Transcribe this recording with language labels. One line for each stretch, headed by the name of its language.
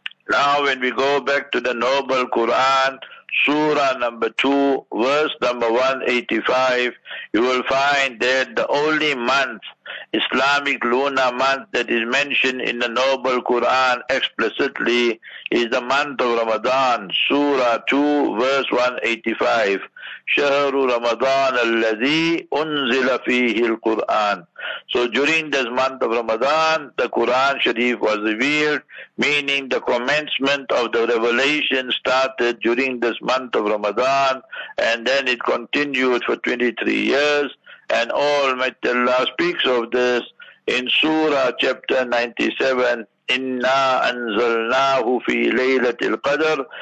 English: Now when we go back to the noble Quran, Surah number 2, verse number 185, you will find that the only month, Islamic lunar month, that is mentioned in the noble Quran explicitly is the month of Ramadan. Surah 2, verse 185.
Arabic: شهر رمضان الذي أنزل فيه القرآن.
English: So during this month of Ramadan, the Quran Sharif was revealed, meaning the commencement of the revelation started during this month of Ramadan, and then it continued for 23 years, and Almighty Allah speaks of this in Surah chapter 97,
Arabic: Inna anzalnahu fi laylatil qadr.